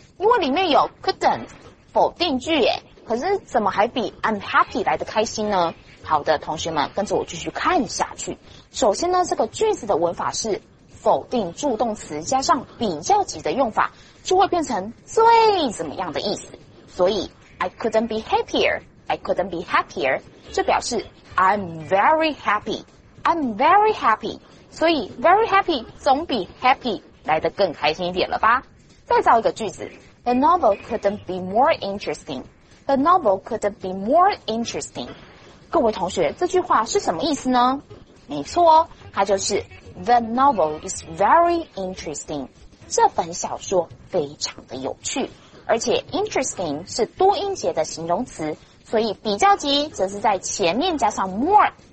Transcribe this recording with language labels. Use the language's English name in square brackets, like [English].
[Chinese] 因为里面有 couldn't 否定句耶，可是怎么还比 [English] I'm happy [Chinese] 来得开心呢？好的，同学们跟着我继续看下去。首先呢，这个句子的文法是否定助动词加上比较级的用法，就会变成最怎么样的意思。 [English] 所以 I couldn't be happier, I couldn't be happier， [Chinese] 这表示 [English] I'm very happy, I'm very happy。 [Chinese] 所以 [English] very happy [Chinese] 总比 happy 来得更开心一点了吧。再造一个句子， [English] The novel couldn't be more interesting, The novel couldn't be more interesting。 [Chinese] 各位同学，这句话是什么意思呢？没错，它就是 [English] The novel is very interesting, [Chinese] 这本小说非常的有趣。而且 interesting 是多音节的形容词，所以比较级则是在前面加上 more。